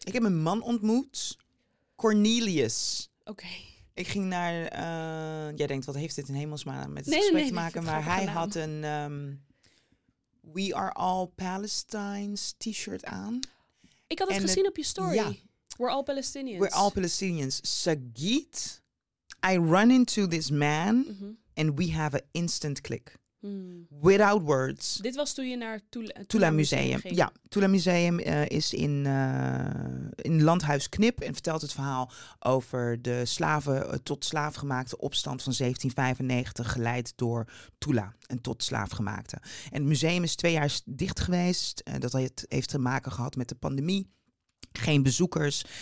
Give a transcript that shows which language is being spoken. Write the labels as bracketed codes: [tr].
[nl] Ik heb een man ontmoet. Cornelius. Oké. Okay. Ik ging naar... jij denkt, wat heeft dit in hemelsnaam met het gesprek te maken? Maar hij had een We Are All Palestines t-shirt aan. Ik had het gezien op je story. [en] Yeah. We're All Palestinians. We're All Palestinians. Sagit, I run into this man and we have an instant click. Hmm. Without words. [nl] Dit was toen je naar Tula Museum ging. Ja, Tula Museum is in Landhuis Knip en vertelt het verhaal over de slaven tot slaafgemaakte opstand van 1795 geleid door Tula, een tot slaafgemaakte. En het museum is 2 jaar dicht geweest. Dat heeft te maken gehad met de pandemie. Geen bezoekers.